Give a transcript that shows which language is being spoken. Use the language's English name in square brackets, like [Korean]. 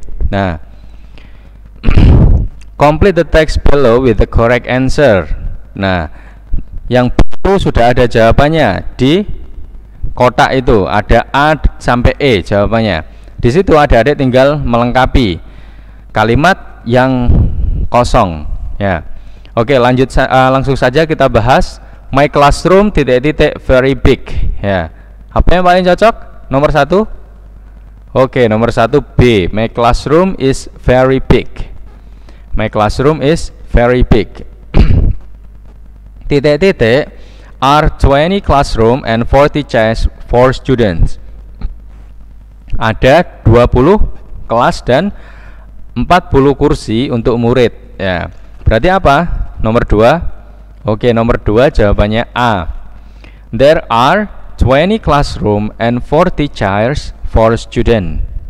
[English] Nah, complete the text below with the correct answer. [Indonesian] Nah, yang B itu sudah ada jawabannya di kotak itu, ada A sampai E jawabannya. Di situ adik-adik tinggal melengkapi kalimat yang kosong, ya. Oke, lanjut langsung saja kita bahas [English] my classroom [Indonesian] titik-titik [English] very big. [Indonesian] Ya, apa yang paling cocok? Nomor satu. Oke, nomor satu B. [English] My classroom is very big. My classroom is very big. Titik-titik are 20 classroom and 40 chairs for students. [Indonesian] Ada 20 kelas dan 40 kursi untuk murid. Ya, berarti apa? Nomor 2. Oke, nomor 2 jawabannya A. [English] There are 20 classroom and 40 chairs for student.